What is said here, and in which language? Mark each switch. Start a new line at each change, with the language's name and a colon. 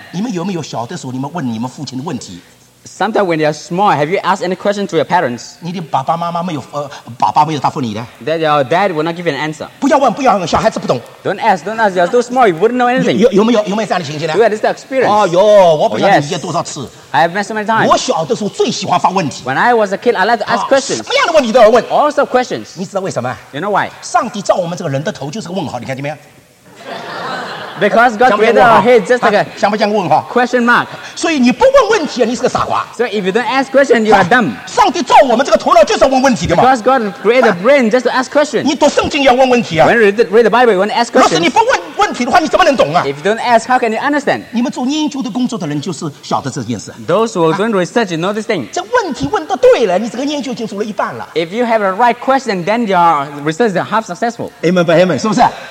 Chinese: 你们有没有小的时候你们问你们父亲的问题
English: Sometimes when they are small, have you asked any question to your parents?
Chinese: 你的爸爸妈妈没有答复你的?
English: That your dad will not give you an answer.
Chinese: 不要问, 小孩子不懂。
English: Don't ask, you're too small, you wouldn't know anything.
Chinese: 有没有这样的情形呢?
English: Yeah, this is the experience.
Chinese: 哎呦,我不知道你见多少次。
English: I have met so many times.
Chinese: 我小的时候最喜欢发问题。
English: When I was a kid, I like to ask questions.
Chinese: 什么样的问题都要问。
English: All sorts of questions.
Chinese: 你知道为什么?
English: You know why?
Chinese: 上帝造我们这个人的头就是个问号, 你看见没有?
English: Because God created our head just like a
Chinese: 像不像问号?
English: Question mark.
Chinese: 所以你不问问题, 你是个傻瓜。
English: So if you don't ask questions, you are dumb.
Chinese: 上帝造我们这个头脑就是要问问题的嘛。
English: Because God created a brain just to ask questions.
Chinese: 你读圣经要问问题啊。
English: When you read the Bible, you want to ask questions.
Chinese: 若是你不问问题的话, 你怎么能懂啊?
English: If you don't ask, how can you understand?
Chinese: 你们做研究的工作的人就是晓得这件事。
English: Those who are doing research, you know this thing.
Chinese: 这问题问得对了, 你这个研究已经做了一半了。
English: If you have a right question, then your research is half successful. Amen by amen,
Chinese: 是不是?